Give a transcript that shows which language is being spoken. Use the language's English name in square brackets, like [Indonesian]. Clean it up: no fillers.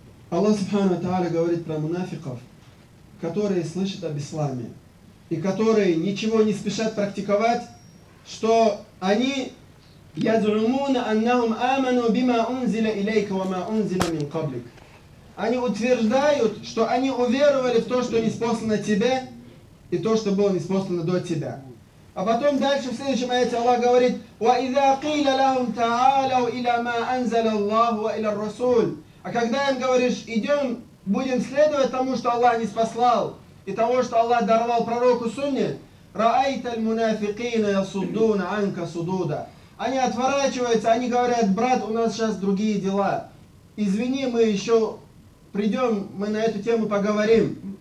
[Russian] Аллах Субхану Та'аля говорит про мунафиков, которые слышат об исламе, и которые ничего не спешат практиковать, что они [Arabic] يَذْعُمُونَ أَنَّهُمْ آمَنُوا بِمَا أُنْزِلَ إِلَيْكَ وَمَا أُنْزِلَ مِنْ قَبْلِكَ. [Russian] Они утверждают, что они уверовали в то, что ниспослано тебе, и то, что было ниспослано до тебя. А потом дальше в следующем аяте Аллах говорит: [Arabic] وَإِذَا قِيلَ لَهُمْ تَعَالَوْا إِلَى مَا أَنْزَلَ اللَّهُ وَإِلَى الرَّسُولِ. [Russian] А когда им говоришь, идем, будем следовать тому, что Аллах не спаслал, и того, что Аллах даровал пророку Сунне, [Arabic] رَأَيْتَ الْمُنَافِقِينَ يَصُدُّونَ عَنْكَ صُدُودًا. [Russian] Они отворачиваются, они говорят: брат, у нас сейчас другие дела. Извини, мы еще придем, мы на эту тему поговорим.